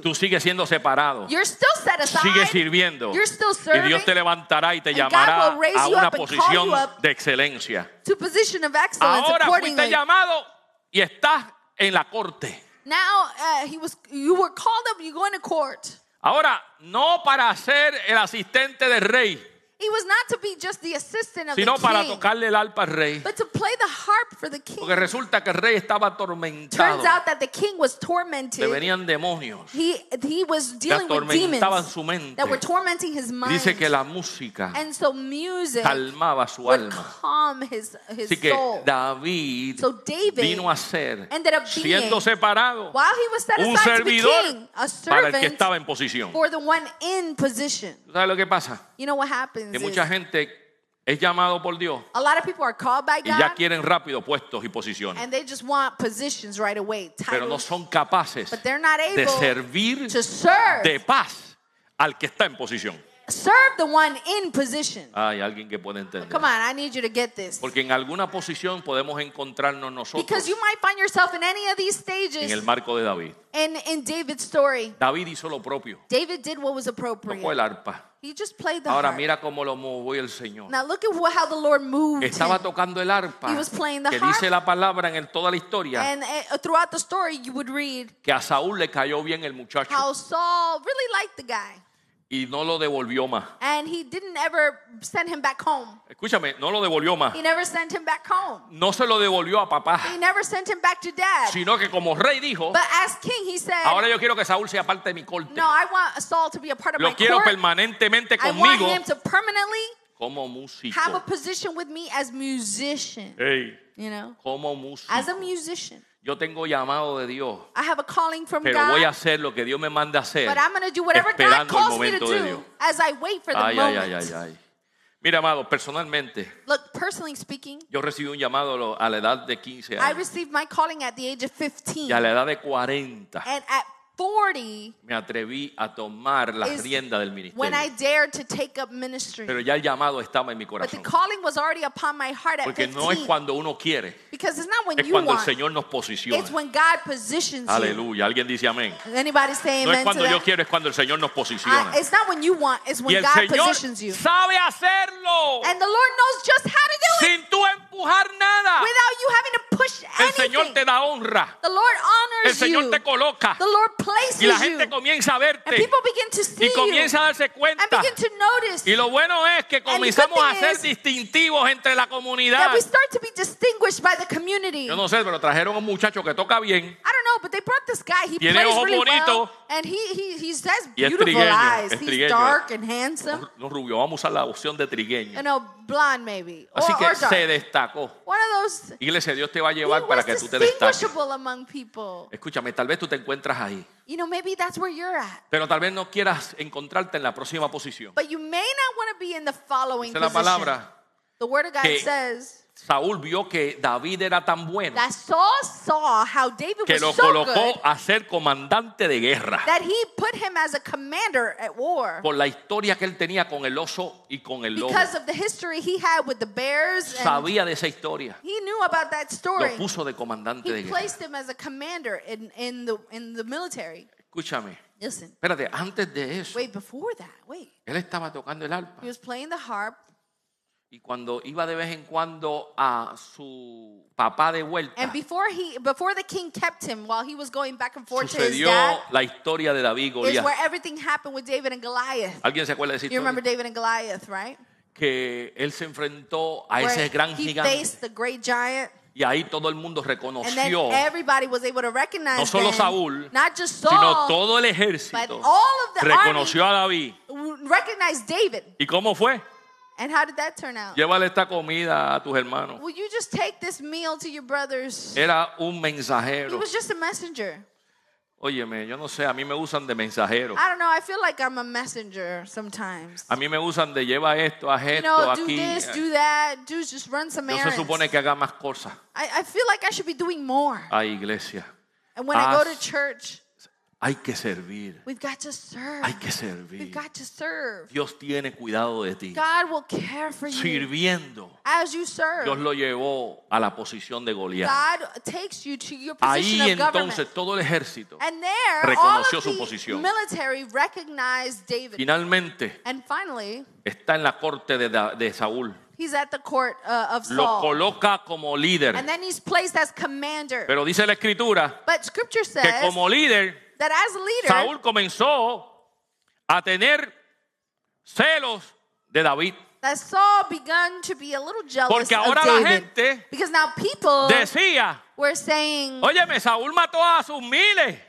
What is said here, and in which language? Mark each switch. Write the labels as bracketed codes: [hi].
[es] Tú sigues siendo separado. [en] You're still set aside. [es] Sigues sirviendo. [en] You're still serving. [es] Y Dios te levantará y te llamará [en] God will raise [es] a una [en] you up [es] posición [en] and call you up [es] de excelencia. [en] To position of excellence [es] Ahora [en] accordingly. [es] Fuiste llamado y estás en la corte. [en] Now you were called up, you're going to court. [es] Ahora, no para ser el asistente del rey. [en] He was not to be just the assistant of [es] sino [en] the king, [es] para tocarle el arpa al rey. [en] But to play the harp for the king. [es] Porque resulta que el rey estaba atormentado. [en] Turns out that the king was tormented. [es] Le venían demonios. [en] He was dealing with demons. [es] Estaba en su mente. [en] That were tormenting his mind. [es] Dice que la música [en] and so music [es] calmaba su [en] would [es] alma. [en] Calm his [es] Así que [en] soul. [es] David, [en] so David [es] vino a ser [en] ended up being, [es] siendo separado [en] while he was set aside [es] un servidor [en] to be king, a servant [es] para el que estaba en posición. [en] For the one in position. [es] ¿Sabes lo que pasa? [en] You know what happened? [es] Que mucha gente es llamado por Dios [en] a lot of people are called by God, [es] y ya quieren rápido puestos y posiciones [en] and they just want positions right away, titles, [es] pero no son capaces [en] but they're not able [es] de servir [en] to serve [es] de paz al que está en posición [en] serve the one in position. [es] Ay, alguien que puede entender. [en] Come on, I need you to get this. [es] Porque en alguna posición podemos encontrarnos nosotros [en] because you might find yourself in any of these stages [es] en el marco de David [en] in David's story [es] David hizo lo propio [en] David did what was appropriate [es] tocó el arpa. [en] He just played the [es] Ahora [en] harp. [es] Mira cómo lo movió el Señor. [en] Now look at how the Lord moved. [es] Estaba [en] him. [es] Tocando el arpa. [en] He was playing the [es] que [en] harp. [es] Que dice la palabra en el, toda la historia. [en] And throughout the story, you would read [es] que a Saúl le cayó bien el muchacho. [en] How Saul really liked the guy. [es] Y no lo devolvió más. [en] And he didn't ever send him back home. [es] Escúchame, no lo devolvió más. [en] He never sent him back home. [es] No se lo devolvió a papá. [en] He never sent him back to dad. [es] Sino que como rey dijo, [en] but as king he said, [es] ahora yo quiero que Saúl sea parte de mi corte. [en] No, I want Saul to be a part of [es] lo [en] my [es] quiero [en] court. [es] Permanentemente conmigo. [en] I want him to permanently [es] como músico. [en] Have a position with me as musician. Hey, you know, [es] como músico. [en] As a musician. [es] Yo tengo llamado de Dios. [en] I have a calling from [es] pero [en] God. [es] Voy a hacer lo que Dios me manda a hacer. [en] But I'm going to do whatever God calls me to do as I wait for the ay, moment. [es] Ay. Mira, amado, personalmente. [en] Look, personally speaking. [es] Yo recibí un llamado a la edad de 15 años. [en] I received my calling at the age of 15. [es] Y a la edad de 40. [en] And at 40, [es] me atreví a tomar la rienda del ministerio. [en] When I dared to take up ministry. [es] Pero ya el llamado estaba en mi corazón. [en] But the calling was already upon my heart at [es] porque [en] 15. [es] Porque no es cuando uno quiere. [en] Because it's not when [es] es [en] you [es] cuando [en] want. [es] El Señor nos posiciona. [en] It's when God positions [es] aleluya. [en] You. [es] Aleluya. Alguien dice amén. [en] Anybody say amen [es] no es cuando [en] to [es] yo [en] that? [es] Quiero, es cuando el Señor nos posiciona. [en] It's not when you want, it's when God [es] Señor [en] positions you. [es] Y el Señor sabe hacerlo. [en] And the Lord knows just how to do [es] sin [en] it. [es] Sin tú empujar nada. [en] Without you having to push [es] el [en] anything. [es] El Señor te da honra. [en] The Lord honors you. [es] El Señor [en] you. [es] Te coloca. [en] The Lord places [es] y la gente comienza a verte [en] and people begin to see [es] y comienza a darse cuenta [en] and begin to notice. [es] Y lo bueno es que comenzamos a ser distintivos entre la comunidad. [en] That we start to be distinguished by the community. [es] Yo no sé, pero trajeron un muchacho que toca bien. [en] I don't know, but they brought this guy. He [es] tiene [en] plays [es] ojos [en] really [es] bonito. [en] Well and he has beautiful eyes. He's [es] trigueño. [en] Dark and handsome. [es] No rubio, vamos a usar la opción de trigueño. [en] No, blonde maybe. [es] Así [en] or, [es] que [en] or dark. [es] Se destacó. [en] One of those. [es] Iglesia, Dios te va a llevar para que tú te destaques. [en] Among people. [es] Escúchame, tal vez tú te encuentras ahí. [en] You know, maybe that's where you're at. [es] Pero tal vez no quieras encontrarte en la próxima posición. [en] But you may not want to be in the following position. [es] Dice la palabra. [en] The word of God says. [es] Saúl vio que David era tan bueno. [en] That Saul saw how David [es] que [en] was [es] lo [en] so [es] colocó [en] good, [es] a ser comandante de guerra. [en] That he put him as a commander at war. [es] Por la historia que él tenía con el oso y con el lobo. [en] Because of the history he had with the bears. [es] Sabía de esa historia. [en] He knew about that story. [es] Lo puso de comandante [en] he placed [es] guerra. [en] Him as a commander in the military. [es] Escúchame. [en] Listen. [es] Espérate, antes de eso. [en] Wait, before that. Wait. [es] Él estaba tocando el arpa. [en] He was playing the harp. [es] Y cuando iba de vez en cuando a su papá de vuelta. [en] And before the king kept him while he was going back and forth to his dad. [es] Sucedió la historia de David y Goliat. [en] Is where everything happened with David and Goliath. [es] ¿Alguien se acuerda de esa historia? [en] You remember David and Goliath, right? [es] Que él se enfrentó a ese gran gigante. [en] He faced the great giant. [es] Y ahí todo el mundo reconoció. [en] And then everybody was able to recognize [es] no solo Saúl, [en] him, not just Saul, [es] sino todo el ejército. [en] But all of the [es] reconoció [en] army [es] a David. [en] Recognized David. [es] ¿Y cómo fue? [en] And how did that turn out? [es] Llévale esta comida a tus hermanos. [en] Will you just take this meal to your brothers? [es] Era un mensajero. [en] He was just a messenger. [es] Óyeme, yo no sé, a mí me usan de mensajero. [en] I don't know, I feel like I'm a messenger sometimes. [es] A mí me usan de lleva esto, haz esto, [en] you know, [es] aquí. [en] Do this, do that, do just run some errands. [es] No se supone que haga más cosas. [en] I feel like I should be doing more. [es] Ay, iglesia. [en] And when I go to church. [es] Hay que servir. [en] We've got to serve. [es] Hay que servir. [en] We've got to serve. [es] Dios tiene cuidado de ti. [en] God will care for you. [es] Sirviendo. [en] As you serve. [es] Dios lo llevó a la posición de Goliat. [en] God takes you to your position [es] ahí, [en] of government. [es] Ahí entonces todo el ejército [en] and there, [es] reconoció [en] all of the [es] su [en] military recognized David. [es] Finalmente. [en] And finally, [es] está en la corte de Saúl. [en] He's at the court of Saul. [es] Lo coloca como líder. [en] And then he's placed as commander. [es] Pero dice la escritura. [en] But scripture says. [es] Que como líder. [en] That as a leader, [es] Saúl comenzó a tener celos de David. [en] That Saul began to be a little jealous [es] porque ahora [en] of David. [es] La gente [en] because now people [es] decía, [en] were saying, [es] óyeme, Saúl mató a sus miles.